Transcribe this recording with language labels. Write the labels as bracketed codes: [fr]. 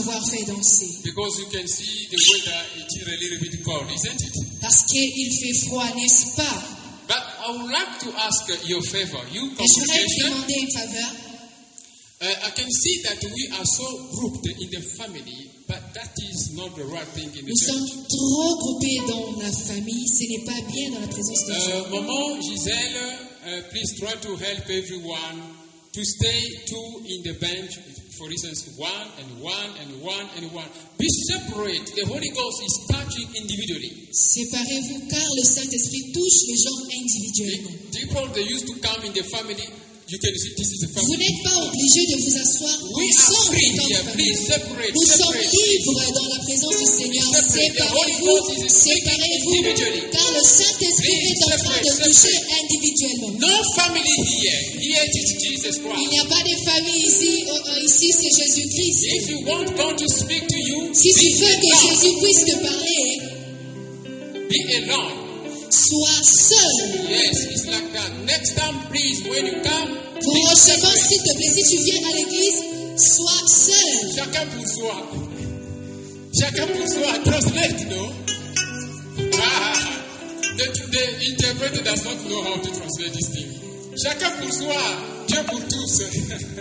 [en] Because you can see the weather, it is a little bit cold, isn't it? [fr] Parce qu'il fait froid, n'est-ce pas? [en] But I would like to ask your favor, you congregation. I can see that we are so grouped in the family, but that is not the right thing in the church. [fr] Nous sommes trop groupés dans la famille, ce n'est pas bien dans la présence de Dieu. [en] Maman, Gisèle, please try to help everyone to stay two in the bench. For instance, one and one and one and one. Be separate. The Holy Ghost is touching individually. [fr] Séparez-vous car le Saint-Esprit touche les gens individuellement. [en] People, they used to come in the family. You can see this is the family. [fr] Vous n'êtes pas obligé de vous asseoir. [en] We are free. Please separate. [fr] Nous sommes libres dans la présence du Seigneur. Séparez-vous car le Saint-Esprit est en train de toucher individuellement. [en] No family here. Here it is Jesus Christ. [fr] Il n'y a pas de famille ici. Ici c'est Jésus Christ. [en] If you want God to speak to you, [fr] si tu veux que Jésus puisse te parler, [en] be alone. [fr] Sois seul. [en] Yes, it's like that. Next time, please, when you come, [fr] prochainement, s'il te plaît, si tu viens à l'église, sois seul. Chacun pour soi. Chacun pour soi. [en] Translate, no? Ah, the interpreter does not know how to translate this thing. [fr] Chacun pour soi. Dieu pour tous. [en] Hein?